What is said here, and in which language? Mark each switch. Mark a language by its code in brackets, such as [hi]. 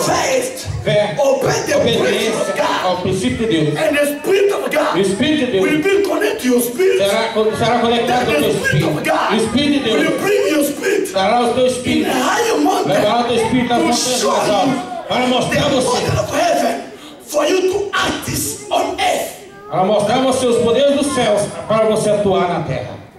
[en] Faith. [pt] Fé. Obediência ao princípio de Deus. [en] And the spirit of God. [pt] O espírito de Deus. [en] Will be connected to your spirit. [pt] Será conectado ao seu espírito. [en] Of God. [pt] O espírito de Deus. [en] Will bring your spirit. [pt] Será o teu espírito. [en] In a higher mountain. [pt] Levará o teu espírito às montanhas mais altas. Para mostrar [en] the [pt] você. [en] Model of heaven for you to act on earth. [pt] Para mostrar você os poderes dos céus para você atuar na terra.